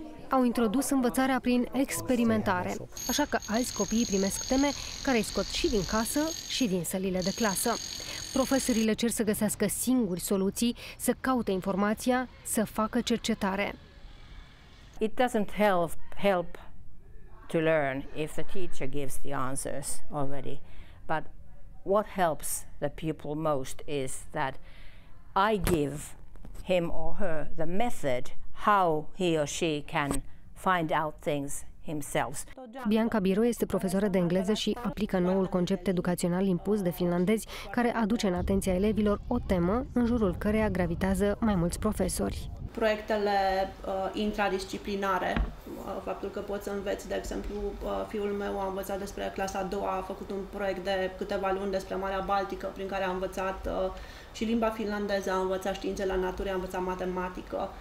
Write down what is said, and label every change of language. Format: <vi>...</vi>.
<ro>Au introdus învățarea prin experimentare, așa că alți copii primesc teme care îi scot și din casă și din sălile de clasă. Profesorii le cer să găsească singuri soluții, să caute informația, să facă cercetare.</ro> <en>It doesn't help to learn if the teacher gives the answers already, but what helps the pupil most is that I give him or her the method how he or she can find out things himself.</en> <ro>Bianca Biro este profesoară de engleză și aplică noul concept educațional impus de finlandezi, care aduce în atenția elevilor o temă în jurul căreia gravitează mai mulți profesori. Proiectele intradisciplinare, faptul că poți să înveți, de exemplu, fiul meu a învățat despre clasa a doua, a făcut un proiect de câteva luni despre Marea Baltică, prin care a învățat și limba finlandeză, a învățat științele naturii, a învățat matematică.</ro>